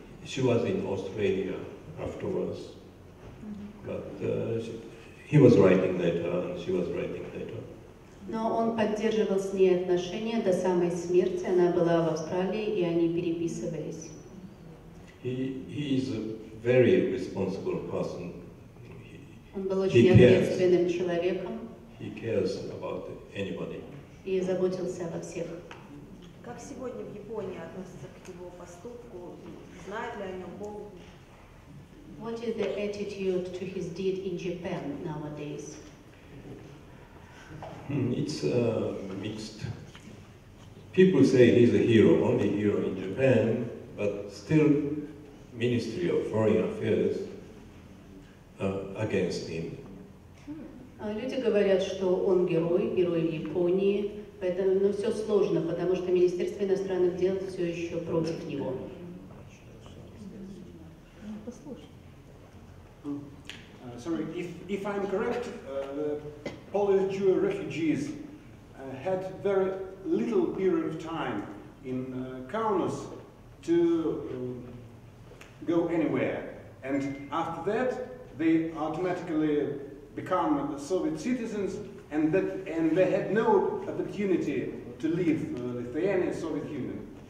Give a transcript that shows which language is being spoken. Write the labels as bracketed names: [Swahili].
[English] She was in Australia afterwards, but he was writing letter and she was writing letter. [Russian] Но он поддерживал с ней отношения до самой смерти. Она была в Австралии, и они переписывались. [English] He is a very responsible person. [Russian] Он был очень ответственным человеком. [English] He cares about anybody. [Russian] И заботился обо всех. Как сегодня в Японии относятся к его поступку? Знает ли о нем Бог? [English] What is the attitude to his deed in Japan nowadays? It's mixed. People say he's a hero, only hero in Japan, but still Ministry of Foreign Affairs against him. [Russian] Люди говорят, что он герой, герой Японии, поэтому, но все сложно, потому что Министерство иностранных дел все еще против него. [English] Sorry, if I'm correct, Polish Jewish refugees had very little period of time in Kaunas to go anywhere, and after that they automatically become Soviet citizens, and they had no opportunity to leave Lithuania, Soviet Union.